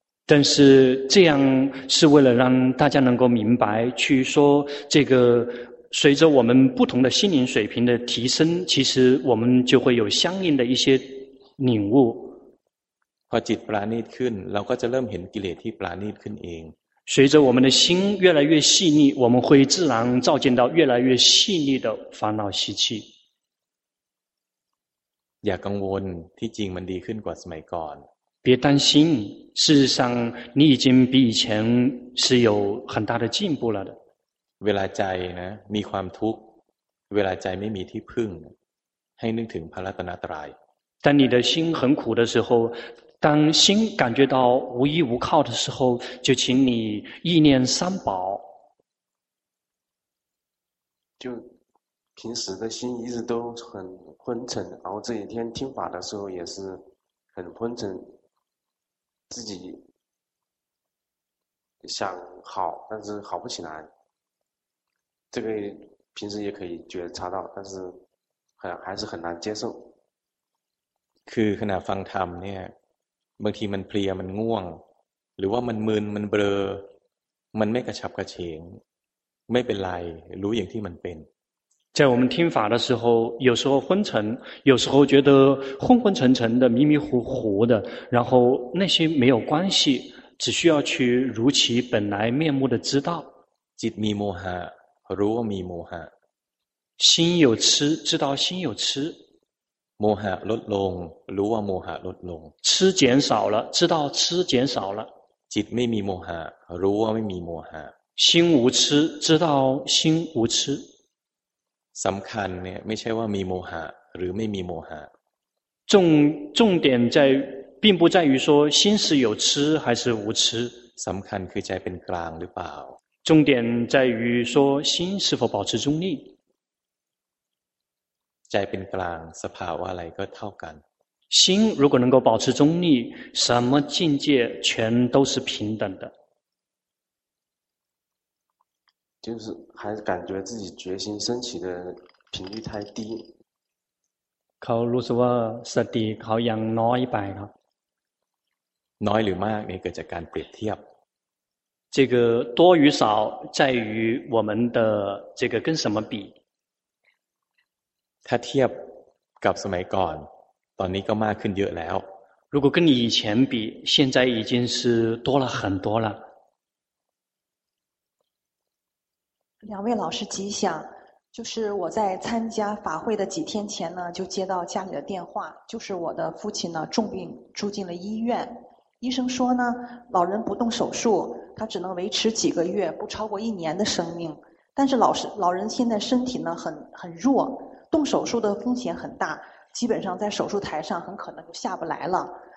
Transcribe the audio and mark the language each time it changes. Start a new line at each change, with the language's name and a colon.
Chinese: 但是这样是为了让大家能够明白去说这个随着我们不同的心灵水平的提升其实我们就会有相应的一些领悟
Thai: พอจิตปราณีตขึ้นเราก็จะเริ่มเห็นกิเลสที่ปราณีตขึ้นเอง
Chinese: 随着我们的心越来越细腻我们会自然照见到越来越细腻的烦恼习气
Thai: อย่ากังวลที่จริงมันดีขึ้นกว่าสมัยก่อน
Chinese: 别担心事实上你已经比以前是有很大的进步了的
Thai: เวลาใจนะมีความทุกข์เวลาใจไม่มีที่พึ่งให้นึกถึงพระรัตนตรัย
Chinese: 当你的心很苦的时候当心感觉到无依无靠的时候就请你意念三宝就平时的心一直都很昏沉然后这几天听法的时候也是很昏沉自己想好但是好不起来这个平时也可以觉察到但是还是很难接受
Thai: คือขณะฟังธรรมเนี่ยบางทีมันเพลียมันง่วงหรือว่ามันมึนมันเบลอมันไม่กระฉับกระเฉงไม่เป็นไรรู้อย่างที่มันเป็น
Chinese: 在我们听法的时候有时候昏沉有时候觉得昏昏沉沉的迷迷糊糊的然后那些没有关系只需要去如其本来面目的知道
Thai: จิตมีโมหะรู้ว่ามีโมหะ
Chinese: 心有痴知道心有痴
Thai: โมหะลดลงรู้ว่าโมหะลดลง
Chinese: 痴减少了知道痴减少了
Thai: จิตไม่มีโมหะรู้ว่าไม่มีโมหะ
Chinese: 心无痴知道心无痴
Thai: สำคัญเนี่ยไม่ใช่ว่ามีโมหะหรือไม่มีโมหะ
Chinese: 重点在并不在于说心是有痴还是无痴
Thai: สำคัญคือใจเป็นกลางหรือเปล่า
Chinese: 重点在于说心是否保持中立
Thai: ใจเป็นกลางสภาวะอะไรก็เท่ากัน
Chinese: 心如果能够保持中立什么境界全都是平等的就是还是感觉自己决心升起的频率太低
Thai: เขารู้สึกว่าสติเขายังน้อยไปครับ น้อยหรือมากนี่เกิดจากการเปรียบเทียบ
Chinese: 这个多与少在于我们的这个跟什么比
Thai: ถ้าเทียบกับสมัยก่อนตอนนี้ก็มากขึ้นเยอะแล้ว
Chinese: 如果跟你以前比现在已经是多了很多了两位老师吉祥就是我在参加法会的几天前呢就接到家里的电话就是我的父亲呢重病住进了医院医生说呢老人不动手术他只能维持几个月不超过一年的生命但是老人现在身体呢很弱动手术的风险很大基本上在手术台上很可能就下不来了